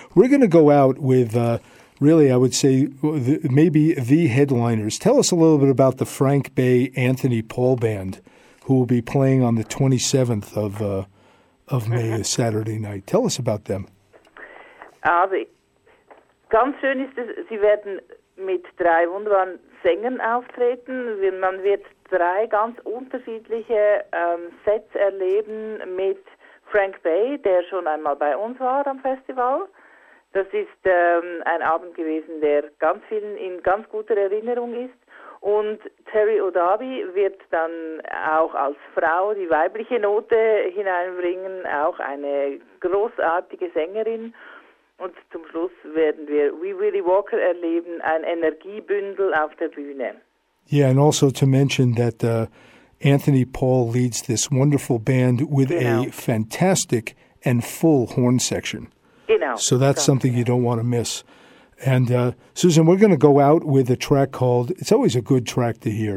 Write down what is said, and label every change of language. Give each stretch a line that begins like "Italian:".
English: We're going to go out with, really, I would say, maybe the headliners. Tell us a little bit about the Frank Bay Anthony Paul Band, who will be playing on the 27th of May, a Saturday night. Tell us about them.
German: Also, ganz schön ist es, sie werden mit drei wunderbaren Sängern auftreten. Man wird drei ganz unterschiedliche Sets erleben mit Frank Bay, der schon einmal bei uns war am Festival. Das ist ein Abend gewesen, der ganz vielen in ganz guter Erinnerung ist. Und Terry O'Davi wird dann auch als Frau die weibliche Note hineinbringen, auch eine großartige Sängerin. Und zum Schluss werden wir Wee Willie Walker erleben, ein Energiebündel auf der Bühne.
English: Yeah, and also to mention that Anthony Paul leads this wonderful band with a fantastic and full horn section. So that's something you don't want to miss. And Susan, we're going to go out with a track called, it's always a good track to hear.